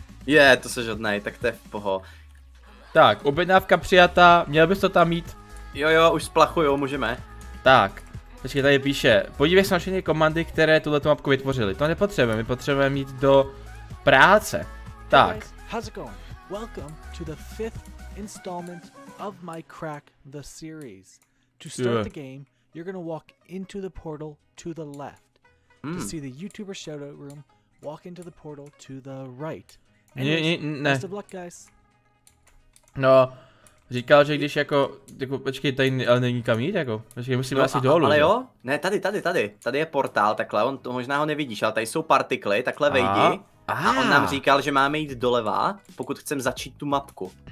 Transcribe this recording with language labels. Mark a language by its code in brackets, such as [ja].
[cs] Je, to se žádnej, tak to je v poho. Tak, objednávka přijata, měl bys to tam mít? Jo, už splachuju, můžeme. Tak. Počkej, tady píše, podívej se na všechny komandy, které tuto mapku vytvořily. To nepotřebujeme, my potřebujeme jít do práce. Tak. [en] Welcome to the fifth installment of my Crack the series. To start the game, you're gonna walk into the portal to the left. To see the YouTuber shoutout room, walk into the portal to the right. [cs] Ne. [en] Best of luck, guys. No. [cs] Říkal, že když jako počkej, tady ale není kam jít, jako, počkej, musíme asi dolů. Ale jo, ne, tady je portál, takhle, on to možná ho nevidíš, ale tady jsou partikly, takhle vejdi. A on nám říkal, že máme jít doleva, pokud chcem začít tu mapku.